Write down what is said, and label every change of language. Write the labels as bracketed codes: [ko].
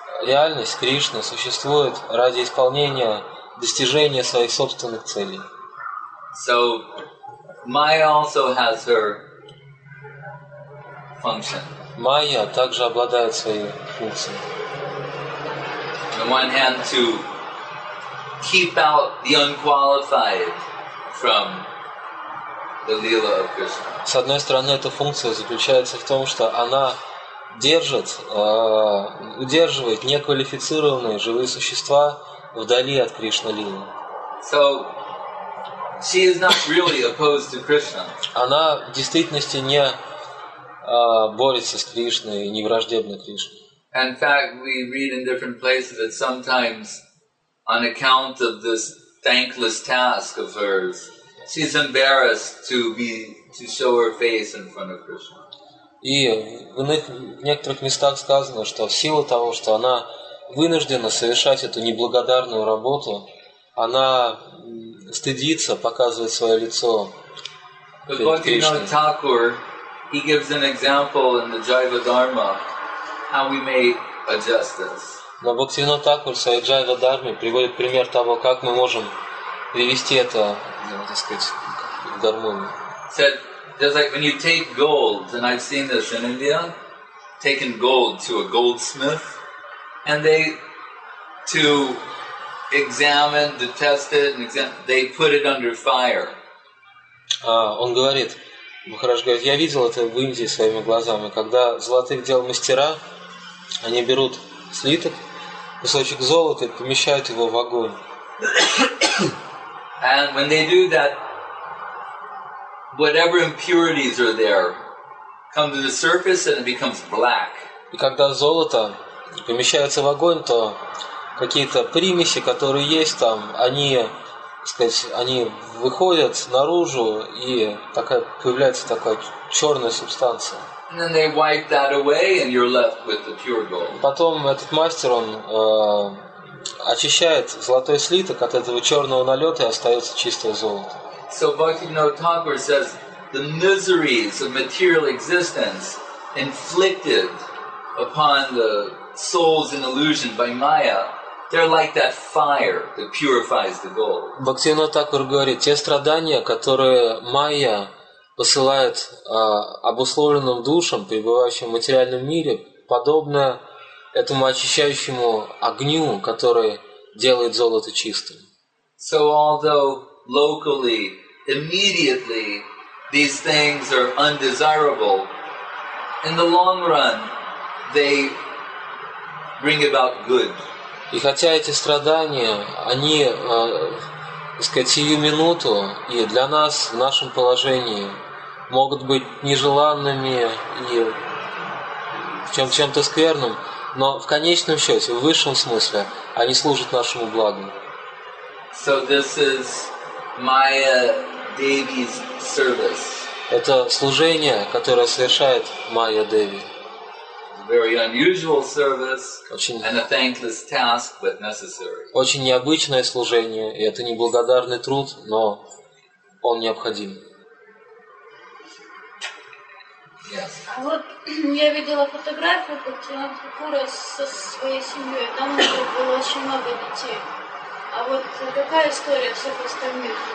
[ru] Реальность Кришны существует ради исполнения, достижения своих собственных целей. [en] So, Maya also has her function. [ru] Майя также обладает своей функцией. [en] On one hand, to keep out the unqualified from the lila of Krishna. [ru] С одной стороны, эта функция заключается в том, что она держит, удерживает неквалифицированные живые существа вдали от Кришна-лилы. [en] So, she is not really opposed to Krishna. [ru] Она в действительности не борется с Кришной и не враждебна Кришне. [en] In fact, we read in different places that sometimes, on account of this thankless task of hers, she's embarrassed to show her face in front of Krishna. [ru] И в некоторых местах сказано, что в силу того, что она вынуждена совершать эту неблагодарную работу, она стыдится показывать свое лицо перед Кришной. [en] Thakur, he gives an example in the Jiva Dharma how we may adjust this. [ru] Но Бхактивинода Такур в своей Jiva Dharma приводит пример того, как мы можем привести это, так сказать, в гармонию. [en] Just like when you take gold, and I've seen this in India, taking gold to a goldsmith, and they, to examine, to test it, and they put it under fire. [ru] Он говорит, Махарадж говорит, я видел это в Индии своими глазами, когда золотых дел мастера, они берут слиток, кусочек золота, и помещают его в огонь. [en] And when they do that, whatever impurities are there come to the surface and it becomes black. [ru] И когда золото помещается в огонь, то какие-то примеси, которые есть там, они, так сказать, они выходят наружу, и такая, появляется такая черная субстанция. [en] And then they wipe that away, and you're left with the pure gold. [ru] Потом этот мастер, он очищает золотой слиток от этого черного налета, и остается чистое золото. [en] So Bhaktivinoda Thakur says, the miseries of material existence inflicted upon the souls in illusion by Maya, they're like that fire that purifies the gold. [ru] Бхактивинода Такур говорит, те страдания, которые Майя посылает обусловленным душам, пребывающим в материальном мире, подобно этому очищающему огню, который делает золото чистым. [en] So although locally, immediately, these things are undesirable, in the long run, they bring about good. [ru] И хотя эти страдания, они, так сказать, сию минуту, и для нас, в нашем положении, могут быть нежеланными и чем-то скверным, но в конечном счете, в высшем смысле, они служат нашему благу. [en] So this is Maya Devi's service. [ru] Это служение, которое совершает Майя Деви. [en] Very unusual service and a thankless task, but necessary. [ru] Очень необычное служение, и это не благодарный труд, но он необходим. [en] Yes. [ru] А вот я видела фотографию Бхактивинода Такура со своей семьей. Там у него было очень много детей. А вот какая история всех остальных